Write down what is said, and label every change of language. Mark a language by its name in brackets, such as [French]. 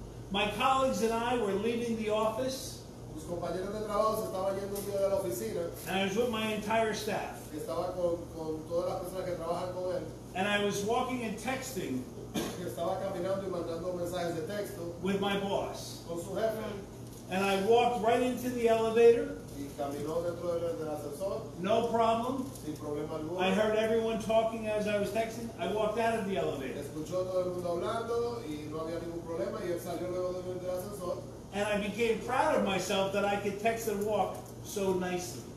[English] My colleagues and I were leaving the office. [Spanish] Mis compañeros de trabajo se estaban yendo un día de la oficina. [English] And I was with my entire staff. [Spanish] Estaba con todas las personas que trabajan con él. [English] And I was walking and texting. [Spanish] Estaba caminando y mandando mensajes de texto. [English] With my boss. [Spanish] Con su jefe. [English] And I walked right into the elevator. [Spanish] Y caminó dentro del ascensor. [English] No problem. [Spanish] Sin problema alguno. [English] I heard everyone talking as I was texting. I walked out of the elevator. [Spanish] Escuchó todo el mundo hablando y no había ningún problema y él salió luego dentro del ascensor. [English] And I became proud of myself that I could text and walk so nicely.